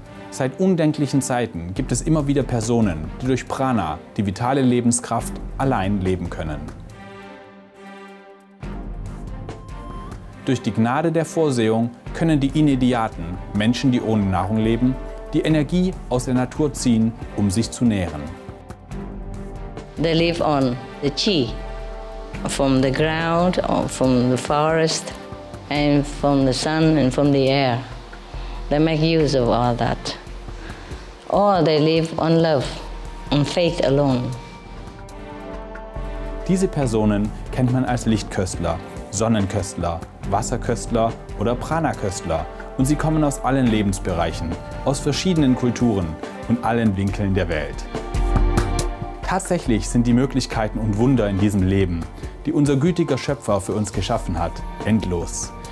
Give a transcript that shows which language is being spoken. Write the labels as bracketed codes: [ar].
[de] Seit undenklichen Zeiten gibt es immer wieder Personen, die durch Prana, die vitale Lebenskraft, allein leben können. Durch die Gnade der Vorsehung können die Inediaten, Menschen, die ohne Nahrung leben, die Energie aus der Natur ziehen, um sich zu nähren. [en] They live on the chi, from the ground, from the forest, and from the sun and from the air. They make use of all that. Or they live on love, on faith alone. [de] Diese Personen kennt man als Lichtköstler, Sonnenköstler, Wasserköstler oder Prana-Köstler. Und sie kommen aus allen Lebensbereichen, aus verschiedenen Kulturen und allen Winkeln der Welt. Tatsächlich sind die Möglichkeiten und Wunder in diesem Leben, die unser gütiger Schöpfer für uns geschaffen hat, endlos.